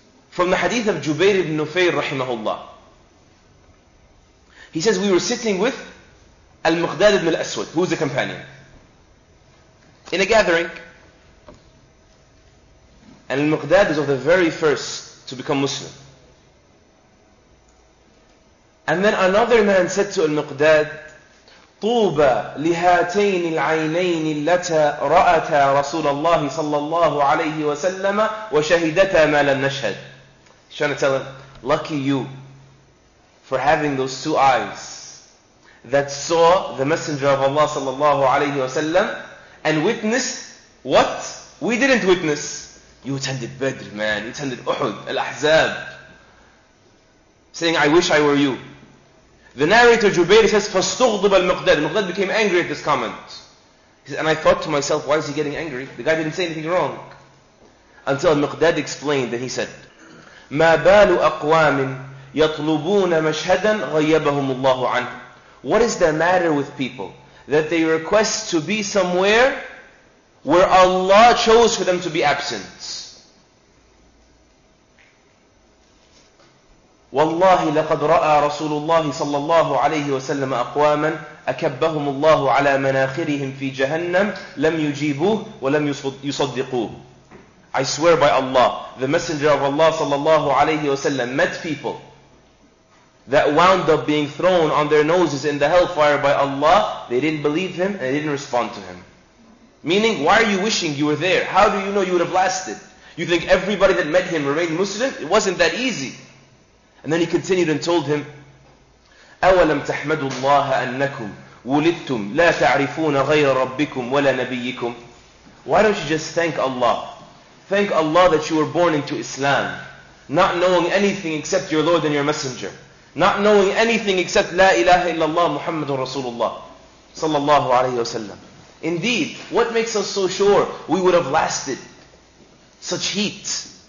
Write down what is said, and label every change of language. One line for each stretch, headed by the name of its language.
English: From the hadith of Jubair ibn Nufayr rahimahullah, he says, we were sitting with Al-Muqdad ibn al-Aswad, who is a companion, in a gathering. And Al-Muqdad is of the very first to become Muslim. And then another man said to Al-Muqdad,
Arabic: طوبى لهاتين العينين اللتا رأتا رسول الله صلى الله عليه وسلم وشهدتا ما لم نشهد.
English: He's trying to tell him, lucky you for having those two eyes that saw the Messenger of Allah
Arabic: صلى الله عليه وسلم
English: and witnessed what we didn't witness. You attended Badr, man. You attended Uhud, Al-Ahzab. Saying, I wish I were you. The narrator Jubair says,
Arabic: فاستغضب المقداد.
English: المقداد became angry at this comment. He says, and I thought to myself, why is he getting angry? The guy didn't say anything wrong. Until المقداد explained, and he said,
Arabic: ما بال أقوام يطلبون مشهدا غيبهم الله عنه.
English: What is the matter with people that they request to be somewhere where Allah chose for them to be absent?
Arabic: والله لقد رأى رسول الله صلى الله عليه وسلم أقواما أكبهم الله على مناخرهم في جهنم لم يجيبوه ولم يصدقوه.
English: I swear by Allah, the Messenger of Allah
Arabic: صلى الله عليه وسلم
English: met people that wound up being thrown on their noses in the hellfire by Allah. They didn't believe him and they didn't respond to him. Meaning, why are you wishing you were there? How do you know you would have lasted? You think everybody that met him remained Muslim? It wasn't that easy. And then he continued and told him,
Arabic: أَوَلَمْ تَحْمَدُ اللَّهَ أَنَّكُمْ وُلِدْتُمْ لَا تَعْرِفُونَ غَيْرَ رَبِّكُمْ وَلَا نَبِيِّكُمْ.
English: Why don't you just thank Allah? Thank Allah that you were born into Islam, not knowing anything except your Lord and your Messenger, not knowing anything except
Arabic: لا إله إلا الله محمد رسول الله صلى الله عليه وسلم.
English: Indeed, what makes us so sure we would have lasted? such heat.